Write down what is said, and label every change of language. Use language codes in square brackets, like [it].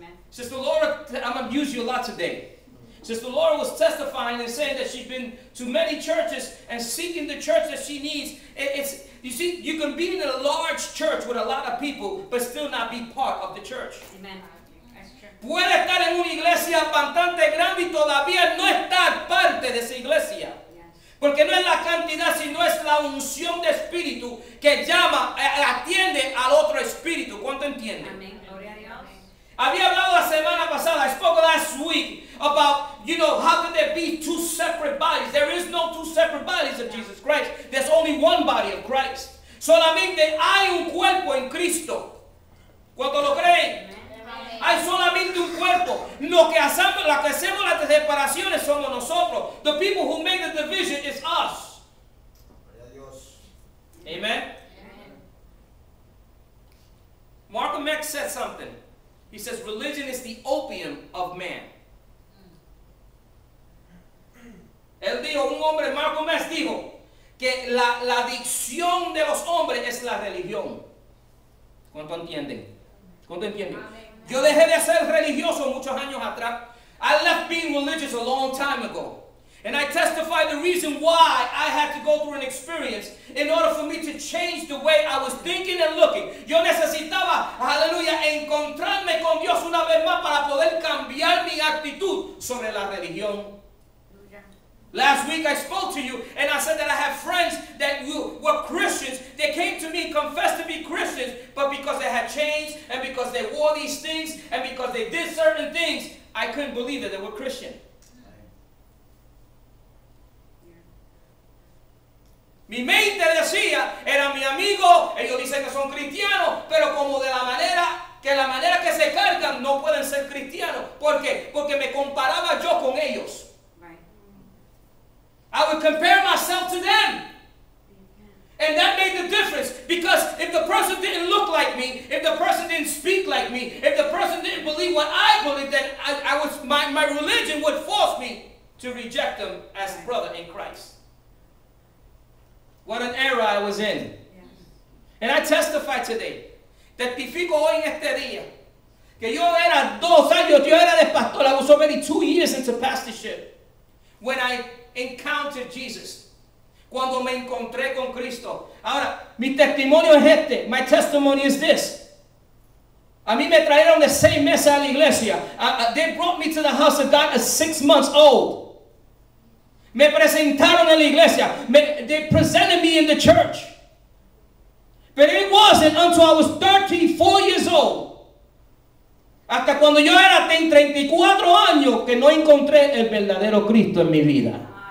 [en] Sister Laura, I'm going to use you a lot today. Sister Laura was testifying and saying that she's been to many churches and seeking the church that she needs. It's, you see, you can be in a large church with a lot of people, but still not be part of the church. Amen. [es] Puede estar en una iglesia bastante grande y todavía no estar parte de esa iglesia. Porque no es la cantidad, sino es la unción de espíritu que llama, atiende al otro espíritu. ¿Cuánto entiende? Amén. Gloria a Dios. Había hablado la semana pasada, [en] I spoke last week, about, you know, how could there be two separate bodies? There is no two separate bodies of Jesus Christ. There's only one body of Christ. [es] Solamente hay un cuerpo en Cristo. ¿Cuánto lo creen? Hay solamente un cuerpo. Lo que hacemos, la que hacemos las separaciones somos nosotros. [en] The people who make the division is us. [es] Gloria a Dios. Amen. Amen. [en] Malcolm X said something. He says, religion is the opium of man. [es] Él dijo, un hombre, Malcolm X dijo, que la adicción de los hombres es la religión. ¿Cuánto entienden? ¿Cuánto entienden? Amén. Yo dejé de ser religioso muchos años atrás. [en] I left being religious a long time ago. And I testified the reason why I had to go through an experience in order for me to change the way I was thinking and looking. [es] Yo necesitaba, aleluya, encontrarme con Dios una vez más para poder cambiar mi actitud sobre la religión. [en] Last week I spoke to you and I said that I have friends that were Christians. They came to me and confessed to be Christians, but because they had changed and because they wore these things and because they did certain things, I couldn't believe that they were Christian. [es] Mi mente decía, eran mi amigo, ellos dicen que son cristianos, pero como de la manera que se cargan, no pueden ser cristianos. ¿Por qué? Porque me comparaba yo con ellos. [en] I would compare myself to them. And that made the difference. Because if the person didn't look like me, if the person didn't speak like me, if the person didn't believe what I believed, then I was my religion would force me to reject them as brother in Christ. What an era I was in. And I testify today. [es] Testifico hoy en este día. Que yo era dos años, yo era de pastor. [en] I was already 2 years into pastorship. When I encounter Jesus. [es] Cuando me encontré con Cristo. Ahora, mi testimonio es este. [en] My testimony is this. [es] A mí me trajeron de 6 meses a la iglesia. [en] They brought me to the house of God at 6 months old. [es] Me presentaron en la iglesia. [en] They presented me in the church. But it wasn't until I was 34 years old. [es] Hasta cuando yo era 34 años que no encontré el verdadero Cristo en mi vida.